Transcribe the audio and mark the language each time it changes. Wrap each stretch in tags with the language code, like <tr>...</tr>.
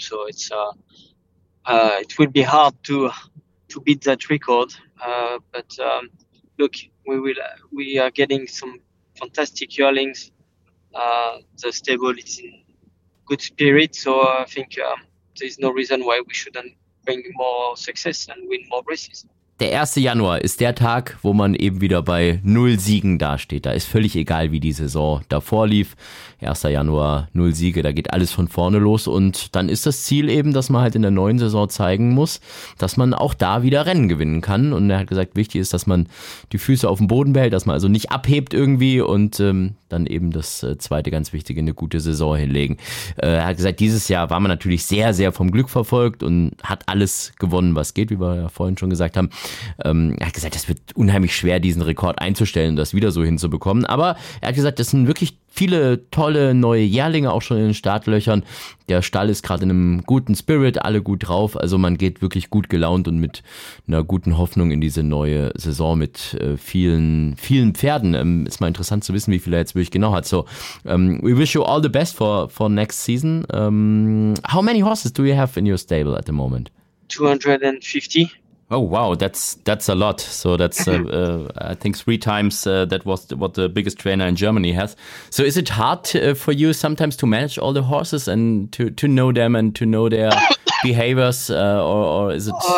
<en>So it's it will be hard to beat that record, but look, we are getting some fantastic yearlings. The stable is in good spirit, so I think there's no reason why we shouldn't bring more success and win more races.</en> <de>Der 1. Januar ist der Tag, wo man eben wieder bei null Siegen dasteht. Da ist völlig egal, wie die Saison davor lief. 1. Januar, null Siege, da geht alles von vorne los. Und dann ist das Ziel eben, dass man halt in der neuen Saison zeigen muss, dass man auch da wieder Rennen gewinnen kann. Und er hat gesagt, wichtig ist, dass man die Füße auf dem Boden behält, dass man also nicht abhebt irgendwie und dann eben das zweite ganz Wichtige, eine gute Saison hinlegen. Er hat gesagt, dieses Jahr war man natürlich sehr, sehr vom Glück verfolgt und hat alles gewonnen, was geht, wie wir ja vorhin schon gesagt haben. Er hat gesagt, es wird unheimlich schwer, diesen Rekord einzustellen und das wieder so hinzubekommen. Aber er hat gesagt, das sind wirklich viele tolle neue Jährlinge auch schon in den Startlöchern. Der Stall ist gerade in einem guten Spirit, alle gut drauf. Also man geht wirklich gut gelaunt und mit einer guten Hoffnung in diese neue Saison mit vielen, vielen Pferden. Ist mal interessant zu wissen, wie viele er jetzt wirklich genau hat.</de> <en>So, we wish you all the best for next season. How many horses do you have in your stable at the moment? 250. Oh wow, that's a lot. So that's I think three times that was what the biggest trainer in Germany has. So is it hard for you sometimes to manage all the horses and to know them and to know their behaviors, or is it?</en>